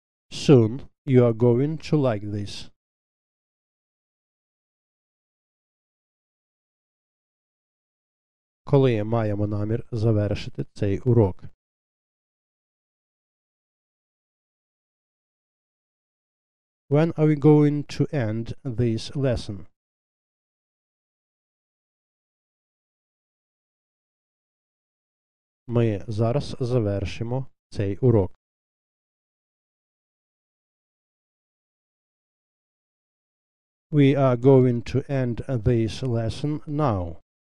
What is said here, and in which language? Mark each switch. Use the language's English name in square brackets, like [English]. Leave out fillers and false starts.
[English] Soon you are going to like this. [Ukrainian] Коли маємо намір завершити цей урок? [English] When are we going to end this lesson? [Ukrainian] Ми зараз завершимо цей урок. [English] We are going to end this lesson now.